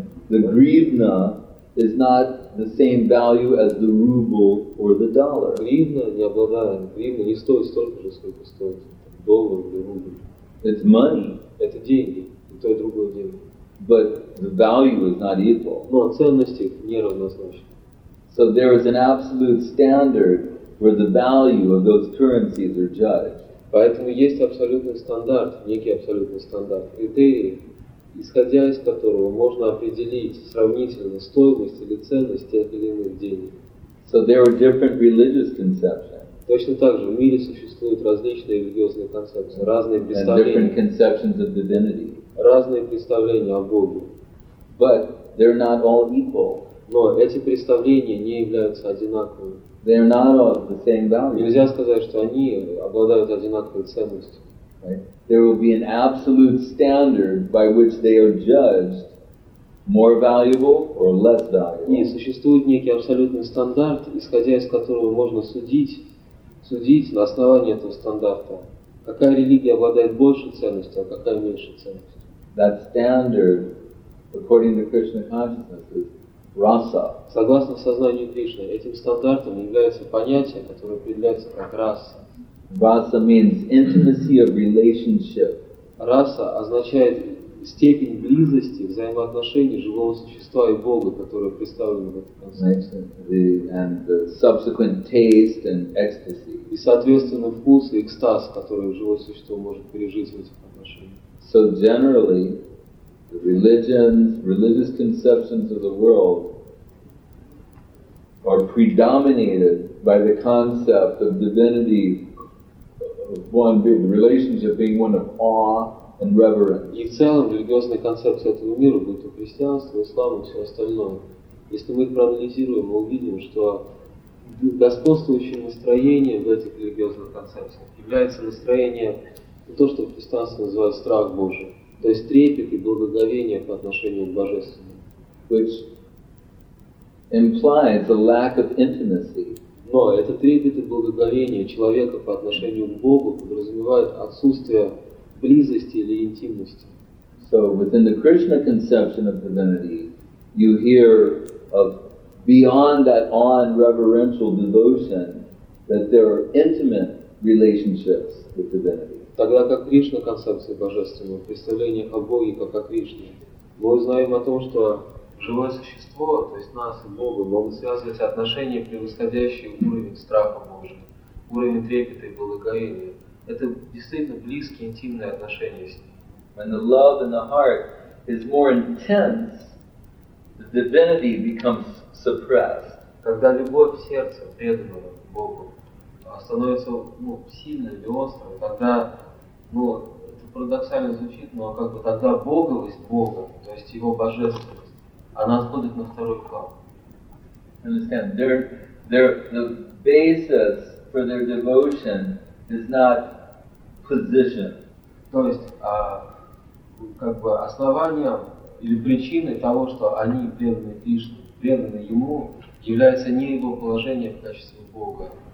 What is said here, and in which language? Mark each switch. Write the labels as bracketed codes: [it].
[en] The гривна is not the same value as the ruble or the dollar. [ru] Гривна не обладает, гривна не стоит столько же, сколько стоит доллар или рубль. [en] It's money. [ru] Это деньги, и то, и другое деньги. [en] But the value is not equal. [ru] Но ценность их не равнозначна. [en] So there is an absolute standard where the value of those currencies are judged. [ru] Поэтому есть абсолютный стандарт, некий абсолютный стандарт, критерии, исходя из которого можно определить сравнительно стоимость или ценность тех или иных денег. [en] So there are different religious conceptions. [ru] Точно так же в мире существуют различные религиозные концепции, разные представления. [en] And different conceptions of divinity. [ru] Разные представления о Боге. [en] But they're not all equal. [ru] Но эти представления не являются одинаковыми. [en] They're not of the same value. [ru] Нельзя сказать, что они обладают одинаковой ценностью. [en] There will be an absolute standard by which they are judged more valuable or less valuable. [ru] И существует некий абсолютный стандарт, исходя из которого можно судить на основании этого стандарта, какая религия обладает большей ценностью, а какая меньшей ценностью. [en] That standard, according to Krishna consciousness, is rasa. [ru] Согласно сознанию Кришны, этим стандартом является понятие, которое определяется как раса. [en] Rasa means intimacy of relationship. [ru] Раса означает степень близости взаимоотношений живого существа и Бога, которое представлено в этом концепции. [en] And the subsequent taste and ecstasy. [ru] И соответственно вкус и экстаз, который живое существо может пережить в этих отношениях. [en] So generally, the religious conceptions of the world are predominated by the concept of divinity. One, the relationship being one of awe and reverence. [ru] И в целом религиозная концепция этого мира, будь то христианство, ислам и все остальное, если мы проанализируем, мы увидим, что господствующим настроением в этих религиозных концепциях является настроение, то, что в христианстве называют страх Божий, то есть трепет и благоговение по отношению к Божественному. [en] Which implies a lack of intimacy. [ru] Но это трепет и благоговение человека по отношению к Богу подразумевает отсутствие близости или интимности. [en] So within the Krishna conception of divinity, you hear of beyond that awe and reverential devotion, that there are intimate relationships with divinity. [ru] Тогда как Кришна концепция божественного, представление о Боге как о Кришне, мы узнаем о том, что живое существо, то есть нас и Бога, могут связывать отношения, превосходящие уровень страха Божия, уровень трепета и благоговения. Это действительно близкие, интимные отношения с Ним. [en] When the love in the heart is more intense, the divinity becomes suppressed. [ru] Когда любовь в сердце преданного Богу становится сильным и острым, тогда, это парадоксально звучит, но как бы тогда боговость Бога, то есть его божественность, она отходит на второй план. [en] Understand? The basis for their devotion is not position. [ru] То есть, основанием или причиной того, что они преданы Кришне, преданы ему, является не его положение в качестве Бога.